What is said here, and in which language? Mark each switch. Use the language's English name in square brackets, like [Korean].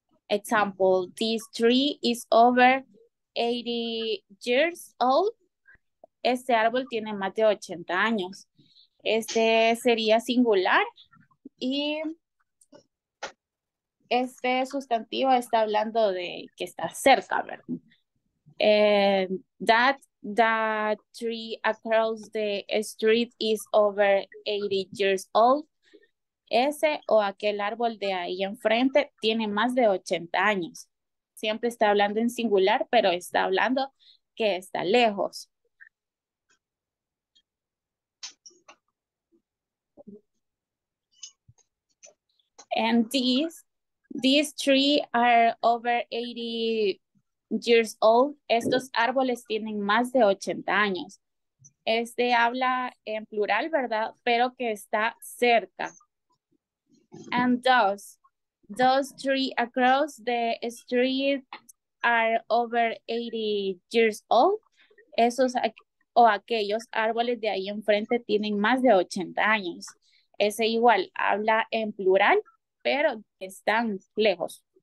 [English] Example, this tree is over 80 years old. [Spanish] Este árbol tiene más de 80 años. Este sería singular y este sustantivo está hablando de que está cerca, ¿verdad? [English] That tree across the street is over 80 years old. [Spanish] Ese o aquel árbol de ahí enfrente tiene más de 80 años. Siempre está hablando en singular, pero está hablando que está lejos. [English] And these tree are over 80 years old. [Spanish] Estos árboles tienen más de 80 años. Este habla en plural, ¿verdad? Pero que está cerca. [English] And those tree across the street are over 80 years old. [Spanish] Esos o aquellos árboles de ahí enfrente tienen más de 80 años. Ese igual habla en plural, pero están lejos.